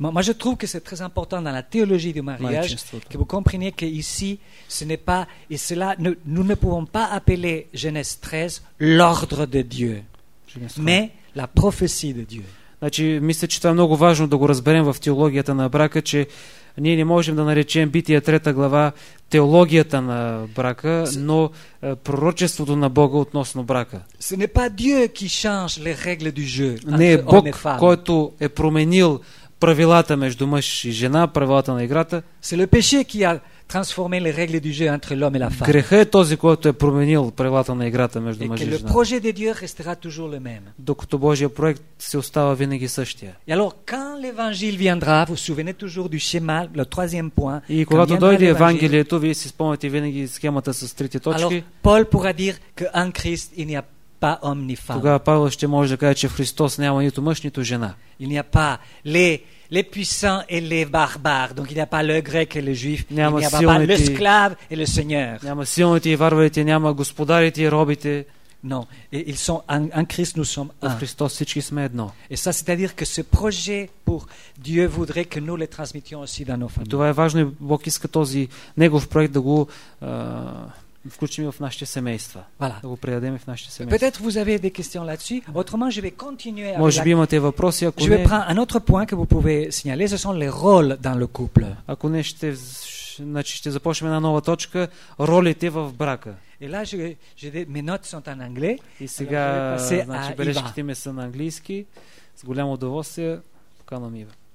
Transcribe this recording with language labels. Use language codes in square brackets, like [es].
[fr] Moi, je trouve que c'est très important dans la théologie du mariage que vous compreniez que ici ce n'est pas et cela nous ne pouvons pas appeler Genèse 13 l'ordre de Dieu, mais la prophétie de Dieu. [bg] Значи, мисля, че това е много важно да го разберем в теологията на брака, че ние не можем да наречем Бития 3 глава теологията на брака, но пророчеството на Бога относно брака. [fr] Ce n'est pas Dieu qui change les règles du jeu. [bg] Не е Бог, който е променил правилата между мъж и жена, правилата на играта. [fr] C'est le péché qui a transformé les règles du jeu entre l'homme et la femme. [bg] Грехът е този, който е променил правилата на играта между мъж и жена. [fr] Et que le projet de Dieu restera toujours le même. [bg] Докато Божия проект се остава винаги същия. [fr] Et alors quand l'évangile viendra, vous souvenez toujours du schéma, le troisième point. [bg] И когато дойде евангелието, вие си спомняте винаги схемата с трите точки. [fr] Alors Paul pourra dire que en Christ il n'y a pas homme ni femme. [bg] Тогава Павел ще може да каже, че в Христос няма нито мъж, нито жена. [fr] Il n'y a pas les puissants et les barbares. Donc il n'y a pas le grec et le juif, [bg] няма [fr] il n'y a pas l'esclave et le seigneur. [bg] Няма силните и варварите, няма господарите и робите. [fr] Non, et ils sont en Christ nous sommes un. [bg] В Христос всички сме едно. [fr] Et ça c'est-à-dire que ce projet pour Dieu voudrait que nous le transmettions aussi dans nos familles. [bg] Това е важно, Бог иска този негов проект да го включим в нашите семейства. [fr] Voilà. [bg] Да го предадем в нашите семейства. [fr] Peut-être vous avez des questions là-dessus. Autrement, je vais continuer avec. [bg] Може би имате въпроси, ако [fr] je vais prendre un autre point que vous pouvez signaler, ce sont les rôles dans le couple. [bg] Ако не, ще започнем една нова точка, ролите в брака. [fr] Et là, mes notes sont en anglais. [bg] И сега, бележките ми са на английски. С голямо удоволствие, поканвам Ива.